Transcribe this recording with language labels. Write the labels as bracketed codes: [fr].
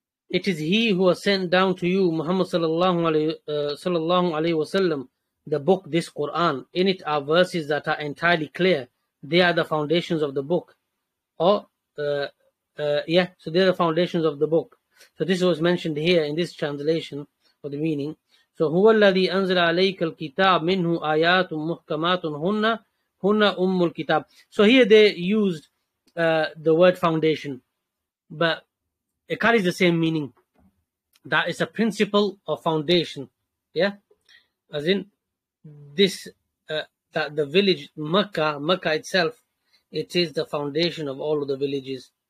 [en] It is he who has sent down to you, Muhammad sallallahu alayhi wasallam, the book, this Quran. In it are verses that are entirely clear. They are the foundations of the book. So they are the foundations of the book. So this was mentioned here in this translation for the meaning. [ar] So هو الذي أنزل عليك الكتاب منه آيات محكمات هن أم الكتاب. [en] So here they used the word foundation, but it carries the same meaning. That is a principle of foundation. Yeah, as in this that the village Mecca itself, it is the foundation of all of the villages.